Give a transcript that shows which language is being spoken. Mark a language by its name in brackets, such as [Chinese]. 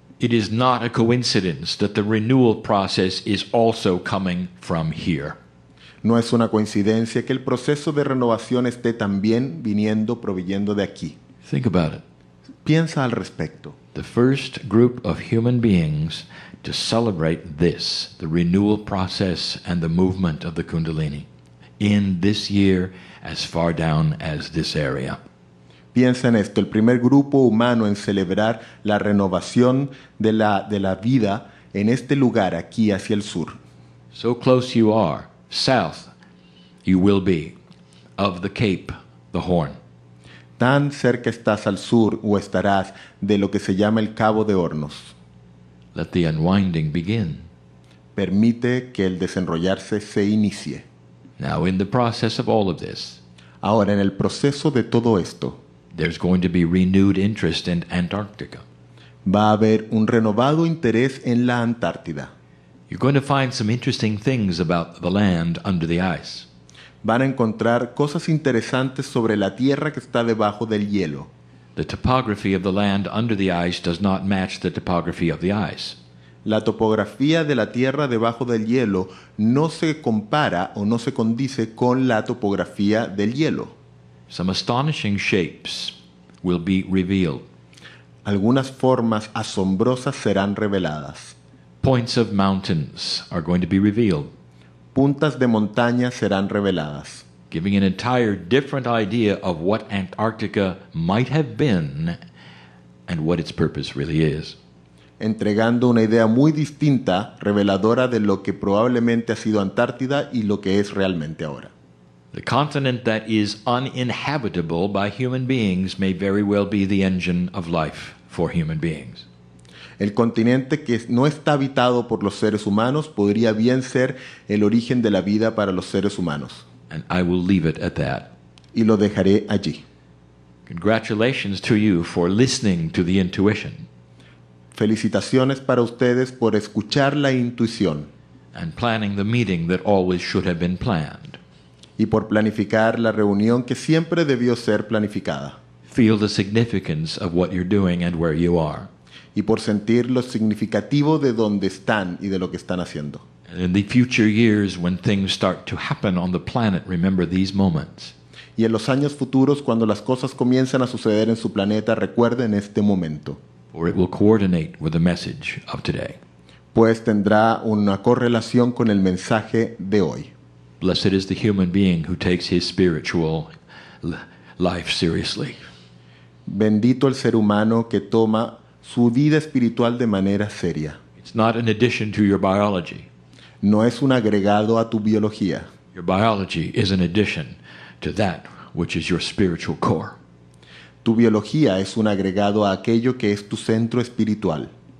[English] It is not a coincidence that the renewal process is also coming from here. [Spanish] No es una coincidencia que el proceso de renovación esté también viniendo, proviniendo de aquí. [English] Think about it. [Spanish] Piensa al respecto. [English] The first group of human beings to celebrate this, the renewal process and the movement of the Kundalini, in this year, as far down as this area. [Spanish] Piensa en esto, el primer grupo humano en celebrar la renovación de la vida en este lugar, aquí hacia el sur. [English] So close you are, south, you will be, of the Cape, the Horn. [Spanish] Tan cerca estás al sur o estarás de lo que se llama el Cabo de Hornos. [English] Let the unwinding begin. [Spanish] Permite que el desenrollarse se inicie. [English] Now in the process of all of this, [Spanish] ahora en el proceso de todo esto, [English] there's going to be renewed interest in Antarctica. [Spanish] Va a haber un renovado interés en la Antártida. [English] You're going to find some interesting things about the land under the ice. [Spanish] Van a encontrar cosas interesantes sobre la tierra que está debajo del hielo. [English] The topography of the land under the ice does not match the topography of the ice. [Spanish] La topografía de la tierra debajo del hielo no se compara o no se condice con la topografía del hielo. [English] Some astonishing shapes will be revealed. [Spanish] Algunas formas asombrosas serán reveladas. [English] Points of mountains are going to be revealed. [Spanish] Puntas de montaña serán reveladas. [English] Giving an entire different idea of what Antarctica might have been and what its purpose really is. [Spanish] Entregando una idea muy distinta, reveladora de lo que probablemente ha sido Antártida y lo que es realmente ahora. [English] The continent that is uninhabitable by human beings may very well be the engine of life for human beings. [Spanish] El continente que no está habitado por los seres humanos podría bien ser el origen de la vida para los seres humanos. [English] And I will leave it at that. [Spanish] Y lo dejaré allí. [English] Congratulations to you for listening to the intuition. [Spanish] Felicitaciones para ustedes por escuchar la intuición. [English] And planning the meeting that always should have been planned. [Spanish] Y por planificar la reunión que siempre debió ser planificada. [English] Feel the significance of what you're doing and where you are. [Spanish] Y por sentir lo significativo de dónde están y de lo que están haciendo. [English] And in the future years when things start to happen on the planet, remember these moments. [Spanish] Y en los años futuros cuando las cosas comienzan a suceder en su planeta, recuerden este momento. [English] Or it will coordinate with the message of today. [Spanish] Pues tendrá una correlación con el mensaje de hoy. [English] Blessed is the human being who takes his spiritual life seriously. [Spanish] Bendito el ser humano que toma su vida espiritual de manera seria. [English] It's not an addition to your biology. [Spanish] No es un agregado a tu biología. [English] Your biology is an addition to that which is your spiritual core. [Spanish] Tu biología es un agregado a aquello que es tu centro espiritual.